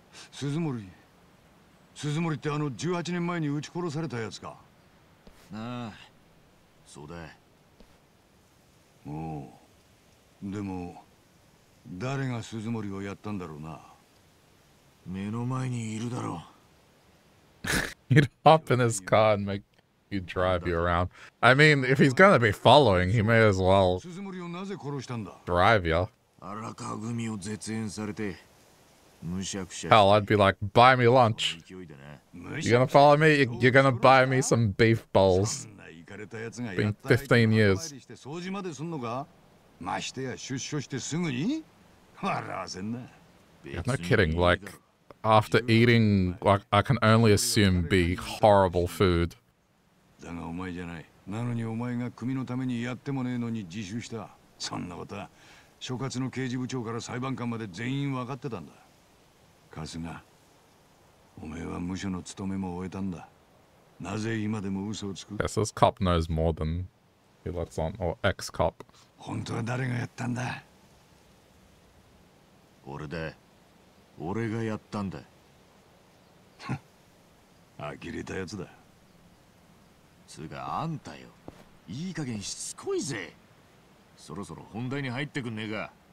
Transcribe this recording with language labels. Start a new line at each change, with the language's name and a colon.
Japanese: 鈴森ってあの18年前に撃ち殺されたやつか。ああ、そうだ。おう、でも誰が鈴森をやったんだろうな。目の前にいるだろう。
English: He'd hop in his car and make you drive you around. I mean, if he's gonna be following, he may as well
Japanese: 鈴森をなぜ殺したんだ?
English: drive you.
Japanese: 荒川組を絶縁されて、むしゃくしゃ。
English: Hell, I'd be like, buy me lunch. You're gonna follow me? You're gonna buy me some beef bowls. Been 15 years.
Japanese: 掃除まですんのか? ましてや出所してすぐに? 笑わせんな。
English: Yeah, no kidding, like, after eating, like, I can only assume be horrible food.
Japanese: だがお前じゃない。なのにお前が組のためにやってもねえのに自首した。そんなことは、所轄の刑事部長から裁判官まで全員分かってたんだ。春日、お前は無所の務めも終えたんだ。なぜ今でも嘘をつく?
English: Yes, this cop knows more than he lets on, or ex-cop.
Japanese: 本当は誰がやったんだ? 俺だ。俺がやったんだ。呆れたやつだ。つがあんたよ。いい加減しつこいぜ。そろそろ本題に入ってくんねえか。